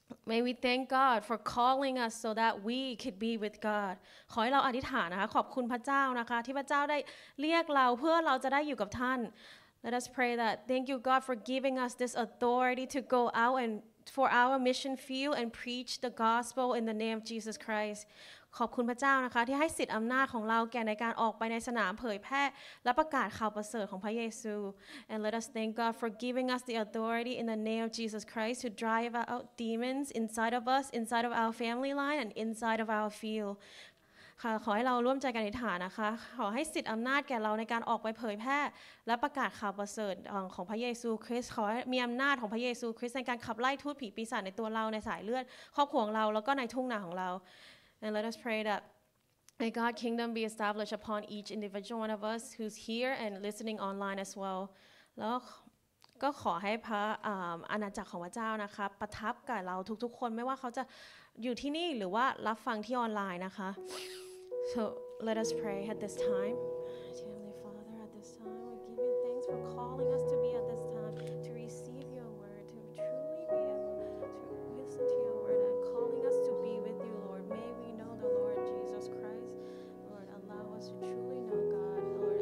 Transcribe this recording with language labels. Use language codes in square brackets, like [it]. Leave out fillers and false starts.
[en] may we thank God for calling us so that we could be with God [th] ขอให้เราอธิษฐานนะคะขอบคุณพระเจ้านะคะที่พระเจ้าได้เรียกเราเพื่อเราจะได้อยู่กับท่าน [en] let us pray that thank you God for giving us this authority to go out andfor our mission field and preach the gospel in the name of Jesus Christ. [th] ขอบคุณพระเจ้านะคะที่ให้สิทธิ์อำนาจของเราแก่ในการออกไปในสนามเผยแพร่และประกาศข่าวประเสริฐของพระเยซู [en] And let us thank God for giving us the authority in the name of Jesus Christ to drive out demons inside of us, inside of our family line, and inside of our field. [th] ค่ะขอให้เราร่วมใจกันอธิษฐานนะคะขอให้สิทธิ์อำนาจแก่เราในการออกไปเผยแพร่และประกาศข่าวประเสริฐของพระเยซูคริสต์ขอให้มีอำนาจของพระเยซูคริสต์ในการขับไล่ทูตผีปีศาจในตัวเราในสายเลือดครอบครัวของเราแล้วก็ในทุ่งนาของเรา [en] And let us pray that may God's kingdom be established upon each individual one of us who's here and listening online as well [th] แล้วก็ขอให้พระอาณาจักรของพระเจ้านะคะประทับกับเราทุกๆคนไม่ว่าเขาจะอยู่ที่นี่หรือว่ารับฟังที่ออนไลน์นะคะ [en] So let us pray at this time. Dear Heavenly Father, at this time, we give you thanks for calling us to be at this time, to receive your word, to truly be able to listen to your word, and calling us to be with you, Lord. May we know the Lord Jesus Christ. Lord, allow us to truly know God, Lord.